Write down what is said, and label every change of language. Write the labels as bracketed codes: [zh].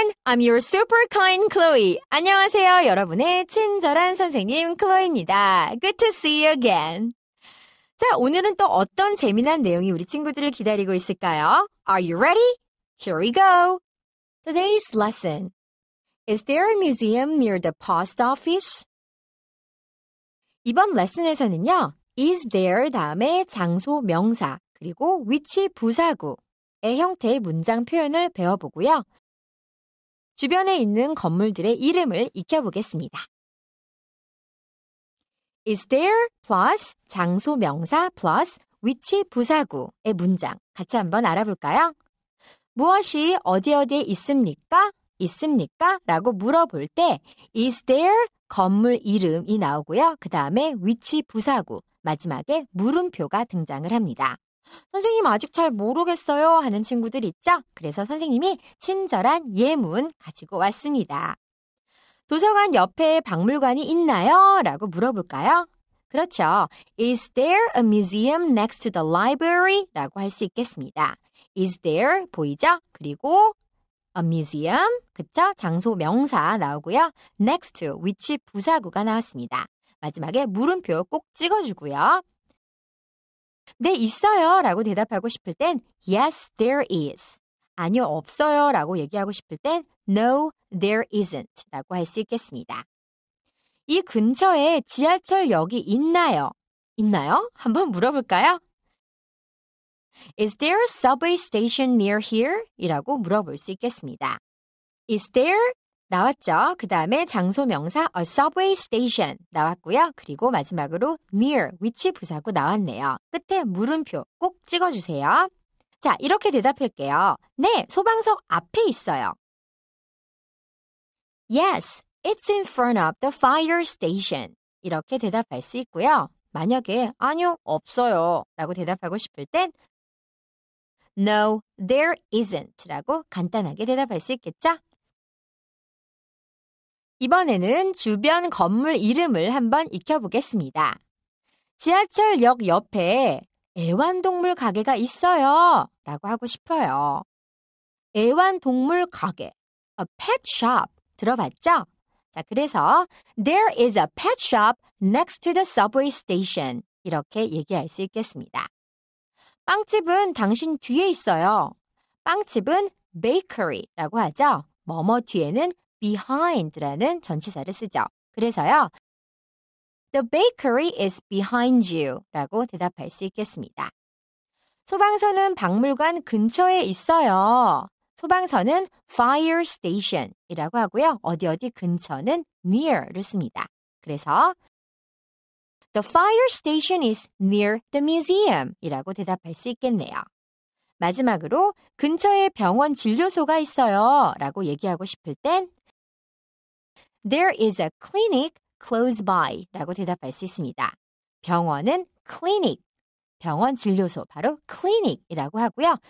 [en] I'm your super kind Chloe. [ko] 안녕하세요, 여러분의 친절한 선생님 클로이입니다. [en] Good to see you again. [ko] 자, 오늘은 또 어떤 재미난 내용이 우리 친구들을 기다리고 있을까요? [en] Are you ready? Here we go. Today's lesson. Is there a museum near the post office? [ko] 이번 레슨에서는요, [en] is there [ko] 다음에 장소 명사, 그리고 위치 부사구의 형태의 문장 표현을 배워보고요. 주변에 있는 건물들의 이름을 익혀보겠습니다. [en] Is there plus [ko] 장소 명사 plus 위치 부사구의 문장 같이 한번 알아볼까요? 무엇이 어디 어디에 있습니까? 있습니까? 라고 물어볼 때 [en] is there [ko] 건물 이름이 나오고요. 그 다음에 위치 부사구, 마지막에 물음표가 등장을 합니다. 선생님 아직 잘 모르겠어요 하는 친구들 있죠? 그래서 선생님이 친절한 예문 가지고 왔습니다. 도서관 옆에 박물관이 있나요? 라고 물어볼까요? 그렇죠. [en] Is there a museum next to the library? [ko] 라고 할 수 있겠습니다. [en] Is there [ko] 보이죠? 그리고 [en] a museum, [ko] 그쵸? 장소 명사 나오고요. next to, 위치 부사구가 나왔습니다. 마지막에 물음표 꼭 찍어주고요. 네, 있어요 라고 대답하고 싶을 땐 [en] Yes, there is. [ko] 아니요, 없어요 라고 얘기하고 싶을 땐 [en] No, there isn't [ko] 라고 할 수 있겠습니다. 이 근처에 지하철역이 있나요? 있나요? 한번 물어볼까요? [en] Is there a subway station near here? [ko] 이라고 물어볼 수 있겠습니다. [en] Is there? [ko] 나왔죠. 그 다음에 장소 명사 [en] a subway station [ko] 나왔고요. 그리고 마지막으로 near, 위치 부사구 나왔네요. 끝에 물음표 꼭 찍어주세요. 자, 이렇게 대답할게요. 네, 소방서 앞에 있어요. [en] Yes, it's in front of the fire station. [ko] 이렇게 대답할 수 있고요. 만약에 아니요, 없어요 라고 대답하고 싶을 땐 [en] No, there isn't [ko] 라고 간단하게 대답할 수 있겠죠? 이번에는 주변 건물 이름을 한번 익혀보겠습니다. 지하철역 옆에 애완동물 가게가 있어요 라고 하고 싶어요. 애완동물 가게, [en] a pet shop [ko] 들어봤죠? 자, 그래서 [en] there is a pet shop next to the subway station [ko] 이렇게 얘기할 수 있겠습니다. 빵집은 당신 뒤에 있어요. 빵집은 bakery라고 하죠. 뭐뭐 뒤에는 behind라는 전치사를 쓰죠. 그래서요, [en] The bakery is behind you [ko] 라고 대답할 수 있겠습니다. 소방서는 박물관 근처에 있어요. 소방서는 fire station이라고 하고요. 어디 어디 근처는 near를 씁니다. 그래서 [en] The fire station is near the museum [ko] 이라고 대답할 수 있겠네요. 마지막으로 근처에 병원 진료소가 있어요 라고 얘기하고 싶을 땐 [en] There is a clinic close by [ko] 라고 대답할 수 있습니다. 병원은 clinic, 병원 진료소 바로 clinic이라고 하고요.